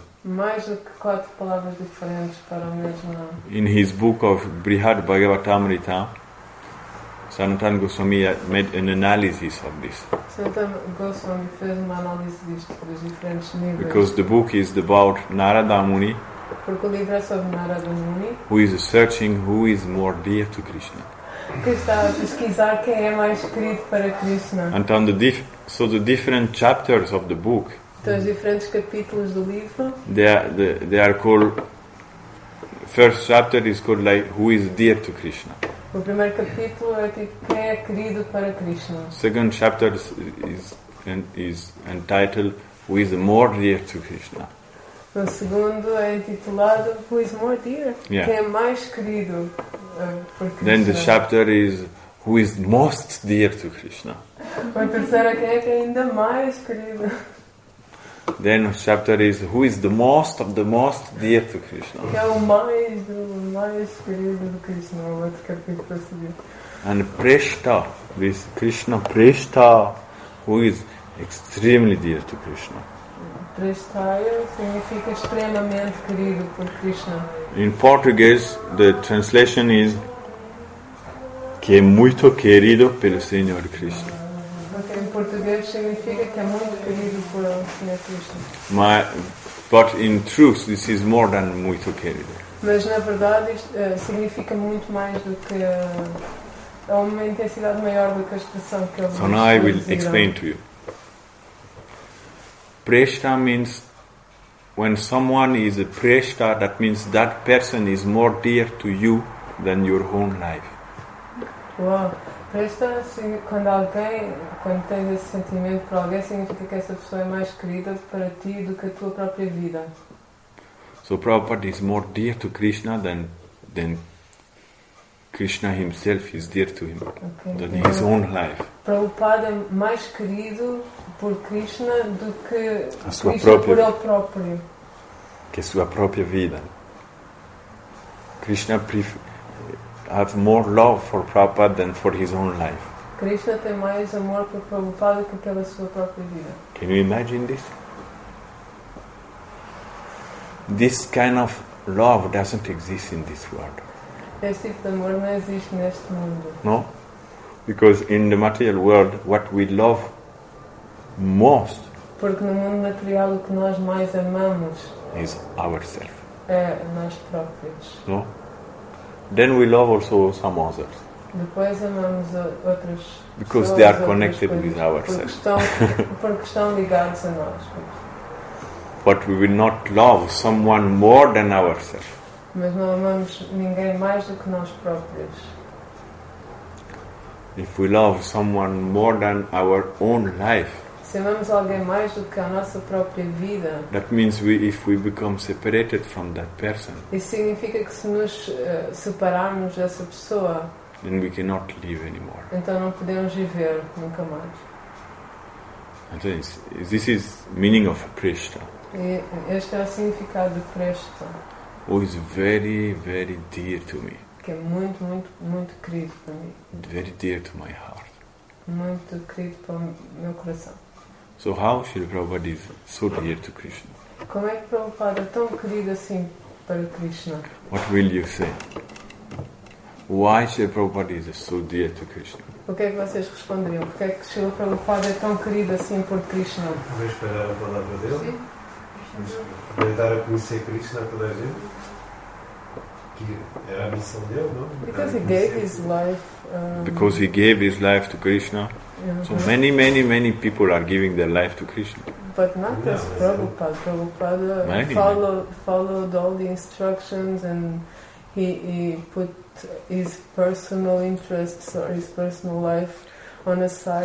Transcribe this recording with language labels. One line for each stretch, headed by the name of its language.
Portuguese: Mais do que quatro palavras diferentes para o mesmo nome.
English: In his book of Brihad Bhagavatamrita, Sanatana Goswami made an analysis of this.
Portuguese: Sanatana Goswami fez uma análise disto dos diferentes níveis.
English: Because the book is about Narada Muni.
Portuguese: Porque o livro é sobre Narada Muni.
English: Who is searching who is more dear to Krishna.
Portuguese: Que está a pesquisar quem é mais querido para Krishna.
English: And on the so the different chapters of the book.
Portuguese: Então, os diferentes capítulos do livro.
English: They are called. First chapter is called like who is dear to Krishna.
Portuguese: O primeiro capítulo é tipo quem é querido para Krishna.
English: Second chapter is entitled who is more dear to Krishna.
Portuguese: O segundo é intitulado
English: who is more dear. Yeah.
Portuguese: Quem é mais querido por Krishna.
English: Then the chapter is who is most dear to Krishna.
Portuguese: O terceiro é quem é ainda mais querido.
English: Then the chapter is who is the most of the most dear to Krishna.
Portuguese: Que é o mais querido do Krishna, o outro capítulo a seguir.
English: And Preshta, this Krishna Preshta, who is extremely dear to Krishna.
Portuguese: Prestaya significa extremamente querido por Krishna.
English: In Portuguese, the translation is
Portuguese: que é muito querido pelo Senhor Krishna. Okay, em português significa que é muito querido por o Senhor Krishna.
English: But in truth, this is more than
Portuguese: muito querido. Mas na verdade, isto significa muito mais do que é uma intensidade maior do que a expressão que ele
English: usa. So now I will explain to you. Preshta means when someone is a Preshta, that means that person is more dear to you than your own life. Wow.
Portuguese: Preshta, quando tens esse sentimento para alguém, significa que essa pessoa é mais querida para ti do que a tua própria vida.
English: So Prabhupada is more dear to Krishna than Krishna himself is dear to him, okay, than his own life.
Portuguese: Prabhupada é mais querido por Krishna do que a sua Krishna própria, por ele próprio. Que a sua própria vida.
English: Krishna has more love for Prabhupada than for his own life.
Portuguese: Krishna tem mais amor por Prabhupada que pela sua própria vida.
English: Can you imagine this? This kind of love doesn't exist in this world.
Portuguese: Esse tipo de amor não existe neste mundo.
English: No? Because in the material world, what we love most,
Portuguese: porque no mundo material o que nós mais amamos
English: is ourselves.
Portuguese: É nós próprios.
English: No? Then we love also some others.
Portuguese: Depois amamos outras.
English: Because they are connected with ourselves.
Portuguese: Porque estão ligados a nós.
English: But we will not love someone more than ourselves.
Portuguese: Mas não amamos ninguém mais do que nós próprios.
English: If we love someone more than our own life,
Portuguese: se amamos alguém mais do que a nossa própria vida,
English: that means if we become separated from that person,
Portuguese: isso significa que se nos separarmos dessa pessoa,
English: then we cannot live anymore.
Portuguese: Então não podemos viver nunca mais.
English: Entonces, this is meaning of Preshta.
Portuguese: Este é o significado de Preshta.
English: Who is very, very dear to me.
Portuguese: Que é muito, muito, muito querido para mim.
English: Very dear to my heart.
Portuguese: Muito querido para o meu coração.
English: So how Srila Prabhupada is so dear to Krishna?
Portuguese: Como é que Prabhupada é tão querido assim para Krishna?
English: What will you say? Why Srila Prabhupada is so dear to Krishna?
Portuguese: O que é que vocês responderiam? Por que é que Srila Prabhupada é tão querido assim por Krishna? Vou esperar a palavra dele. Sim. Para dar a conhecer Krishna a toda a gente, que era a missão dele, não?
English: Because he gave his life. Because he gave his life to Krishna. Uh-huh. So many, many, many people are giving their life to Krishna. But not as Prabhupada. Prabhupada followed all the instructions and he put his personal interests or his personal life on a side.